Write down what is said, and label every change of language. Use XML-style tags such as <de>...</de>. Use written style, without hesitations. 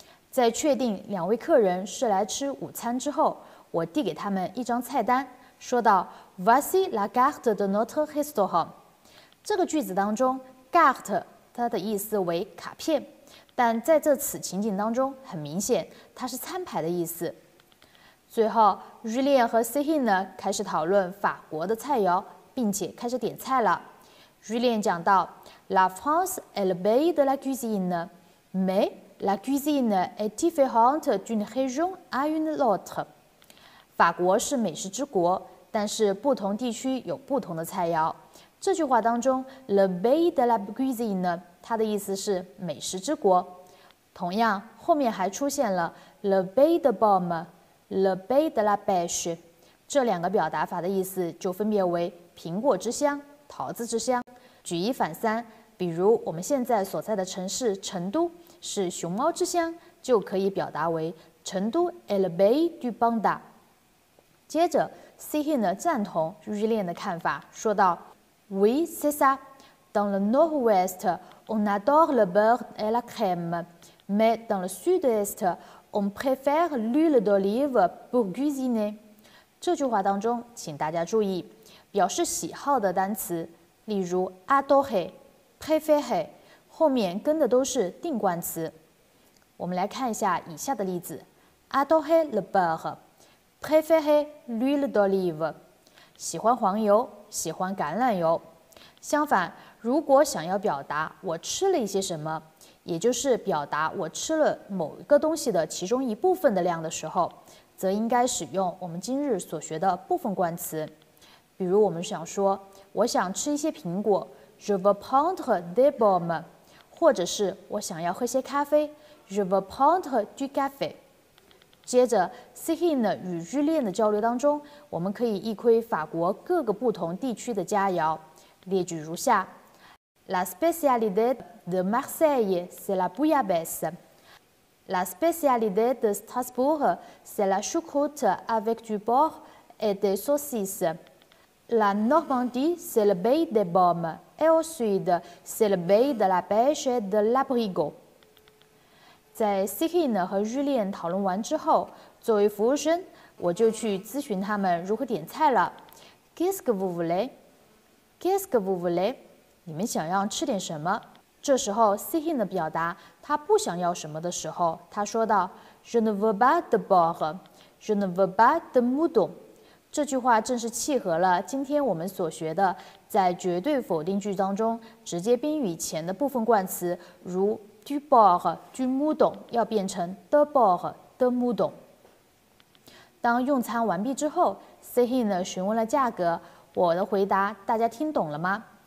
<zh>在确定两位客人是来吃午餐之后，我递给他们一张菜单，说道 ：</zh> <fr>“Voici la carte de notre restaurant。”</fr> <zh>这个句子当中 ，carte。它的意思为卡片，但在这此情景当中，很明显它是餐牌的意思。最后 ，Julien 和 Sihin 呢开始讨论法国的菜肴，并且开始点菜了。</zh> <fr>Julien</fr> <zh>讲到</zh> <fr>：“La France est le pays de la cuisine, mais la cuisine est différente d'une région à une autre。”</fr> <zh>法国是美食之国，但是不同地区有不同的菜肴。这句话当中 ，</zh> <fr>le pays de la cuisine</fr> <zh>呢，它的意思是美食之国。同样，后面还出现了</zh> <fr>le pays de pomme、 le pays de la pêche</fr> <zh>这两个表达法的意思，就分别为苹果之乡、桃子之乡。举一反三，比如我们现在所在的城市成都是熊猫之乡，就可以表达为成都</zh> <fr>est le pays du panda。</fr> <zh>接着 ，Sihin 呢赞同 Julien 的看法，说道。</zh> <fr>Oui, c'est ça. Dans le nord-ouest, on adore le beurre et la crème. Mais dans le sud-est, on préfère l'huile d'olive pour cuisiner.</fr> <zh>这句话当中，请大家注意，表示喜好的单词，例如 adore、préfère， 后面跟的都是定冠词。我们来看一下以下的例子 ：</zh> <fr>adore le beurre, préfère l'huile d'olive，</fr> <zh>喜欢黄油，喜欢橄榄油。相反，如果想要表达我吃了一些什么，也就是表达我吃了某一个东西的其中一部分的量的时候，则应该使用我们今日所学的部分冠词。比如我们想说，我想吃一些苹果 ，</zh> <fr>je veux prendre des pommes，</fr> <zh>或者是我想要喝些咖啡 ，</zh> <fr>je veux prendre du café。</fr> <zh>接着 ，Céline 与 Julien 的交流当中，我们可以一窥法国各个不同地区的佳肴，列举如下。</zh> <fr>La spécialité de Marseille, c'est la bouillabaisse. La spécialité de Strasbourg, c'est la choucroute avec du porc et des saucisses. La Normandie, c'est le pays des pommes. Et au sud, c'est le pays de la pêche et de l'abricot.</fr> <zh>在 Céline 和 Julien 讨论完之后，作为服务生，我就去咨询他们如何点菜了。</zh> <fr>Qu'est-ce que vous voulez? Qu'est-ce que vous voulez?</fr> <zh>你们想要吃点什么？这时候 ，Céline 的表达他不想要什么的时候，他说道 ：</zh> <fr>“Je ne veux pas de beurre, je ne veux pas de mouton。”</fr> <zh>这句话正是契合了今天我们所学的，在绝对否定句当中，直接宾语前的部分冠词，如</zh> <fr>du beurre, du mouton，</fr> <zh>要变成</zh> <fr>de beurre, de mouton。</fr> <zh>当用餐完毕之后 ，Céline 询问了价格，我的回答大家听懂了吗？</zh>